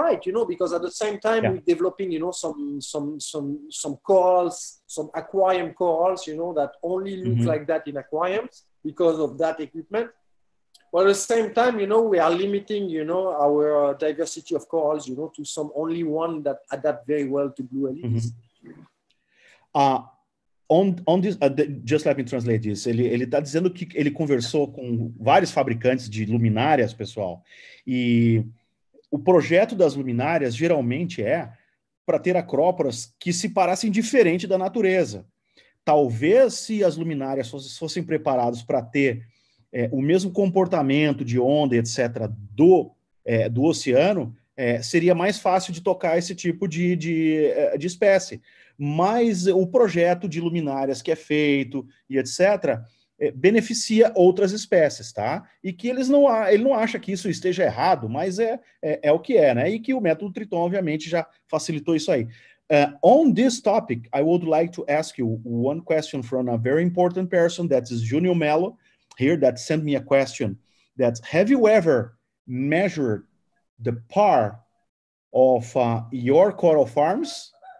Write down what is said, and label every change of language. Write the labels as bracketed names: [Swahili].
[English] they're right, you know, because at the same time yeah. we're developing, you know, some corals, some aquarium corals, you know, that only look mm-hmm. like that in aquariums because of that equipment. But at the same time, you know, we are limiting, you know, our diversity of corals, you know, to some only one that adapt very well to blue LEDs. Mm-hmm. Just let me translate this. [Portuguese] Ele tá dizendo que ele conversou com vários fabricantes de luminárias, pessoal. E o projeto das luminárias geralmente é para ter acróporas que se parassem diferente da natureza. Talvez se as luminárias fossem preparadas para ter o mesmo comportamento de onda, etc., do oceano, seria mais fácil de tocar esse tipo de espécie. Mas o projeto de luminárias que é feito e etc., beneficia outras espécies, tá? E que ele não acha que isso esteja errado, mas é o que é, né? E que o método Triton, obviamente, já facilitou isso aí. [English] On this topic, I would like to ask you one question from a very important person, that is Junior Mello, here, that sent me a question, that have you ever measured the PAR of your coral farms?